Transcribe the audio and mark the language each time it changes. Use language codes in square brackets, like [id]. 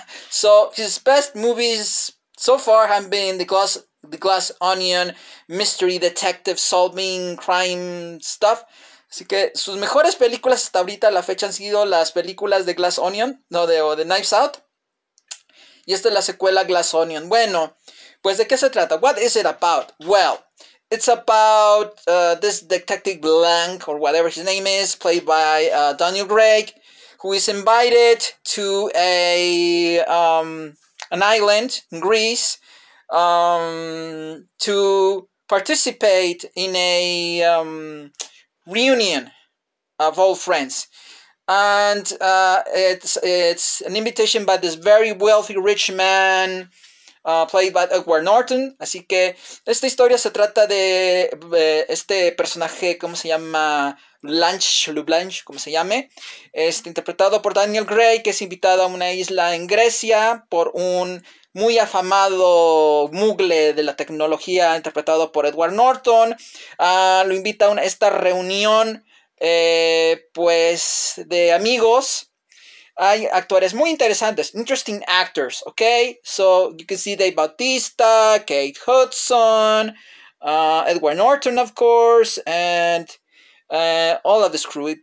[en] So, his best movies so far have been The Glass Onion, Mystery Detective Solving Crime Stuff. [es] Así que sus mejores películas hasta ahorita a la fecha han sido las películas de Glass Onion, de Knives Out. Y esta es la secuela Glass Onion. Bueno, pues ¿de qué se trata? What is it about? [en] Well, it's about this detective Blank, or whatever his name is, played by Daniel Craig, who is invited to an island in Greece to participate in a reunion of old friends. And it's an invitation by this very wealthy rich man, played by Edward Norton. [es] Así que esta historia se trata de este personaje, ¿cómo se llama? Blanche, ¿cómo se llame? Interpretado por Daniel Gray, que es invitado a una isla en Grecia por un muy afamado mugle de la tecnología, interpretado por Edward Norton. Lo invita a esta reunión, pues, de amigos. Hay actores muy interesantes, interesting actors, ¿ok? [en] So, you can see Dave Bautista, Kate Hudson, Edward Norton, of course, and all of this crew.